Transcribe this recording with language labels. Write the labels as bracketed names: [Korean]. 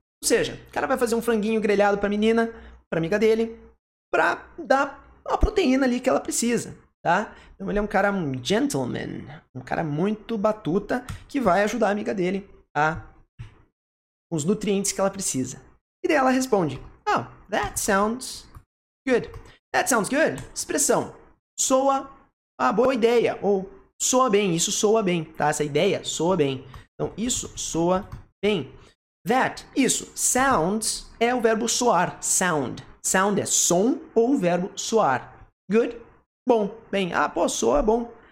[Portuguese] Ou seja, o cara vai fazer um franguinho grelhado pra menina, pra amiga dele, pra dar a proteína ali que ela precisa, tá? Então ele é um cara, um gentleman, um cara muito batuta, que vai ajudar a amiga dele a os nutrientes que ela precisa. E daí ela responde, [English] oh, that sounds good. That sounds good. [Portuguese] Expressão, soa a boa ideia, ou soa bem, isso soa bem, tá? Essa ideia soa bem. Então isso soa bem. That, isso, sounds é o verbo soar, sound. Sound é som ou o verbo soar. Good, bom, bem. Ah, pô, soa bom.